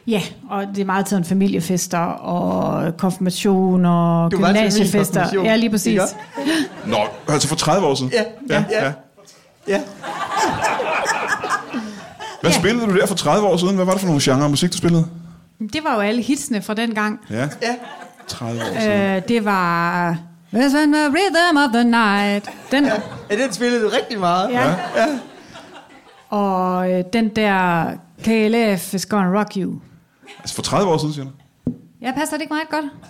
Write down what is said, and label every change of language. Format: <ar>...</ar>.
<da>Ja, og det er meget til en familiefester og konfirmation og gymnasiefester. Ja, lige præcis. Ja. Nå, altså for 30 år siden? Ja. Hvad spillede du der for 30 år siden? Hvad var det for nogle genre musik, du spillede? Det var jo alle hitsene fra den gang. Ja. Ja. 30 år siden. Det var...</da> <en>Listen to the rhythm of the night.</en> <da>Den... Ja, den spillede du rigtig meget. Ja. Ja. Og den der...</da> <en>KLF is gonna rock you.</en> <da>Altså for 30 år siden, siger du? Ja, passer det ikke meget godt?</da>